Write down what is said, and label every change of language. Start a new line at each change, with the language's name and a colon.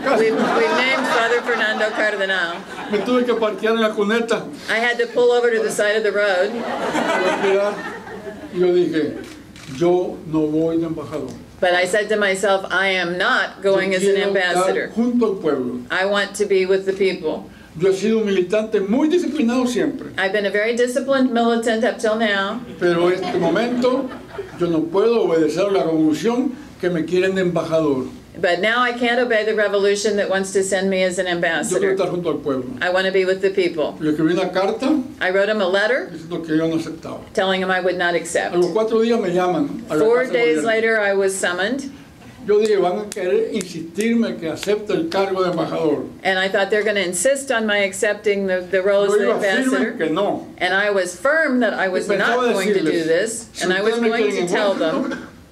English: We've named Father Fernando Cardenal.
Spanish: Me tuve que parquear en la cuneta.
English: I had to pull over to the side of the road.
Spanish: Yo dije, yo no voy de embajador.
English: But I said to myself, I am not going as an ambassador.
Spanish: Junto al pueblo.
English: I want to be with the people.
Spanish: Yo he sido un militante muy disciplinado siempre.
English: I've been a very disciplined militant up till now.
Spanish: Pero en este momento, yo no puedo obedecer la revolución que me quieren de embajador.
English: But now I can't obey the revolution that wants to send me as an ambassador.
Spanish: Yo quiero estar junto al pueblo.
English: I want to be with the people.
Spanish: Le escribí una carta.
English: I wrote him a letter
Spanish: diciendo que yo no aceptaba.
English: Telling him I would not accept.
Spanish: A los cuatro días me llaman.
English: Four days later I was summoned.
Spanish: Yo dije, van a querer insistirme que acepte el cargo de embajador.
English: And I thought they're going to insist on my accepting the role as an ambassador.
Spanish: Que no.
English: And I was firm that I was not going to do this. And I was going to tell them.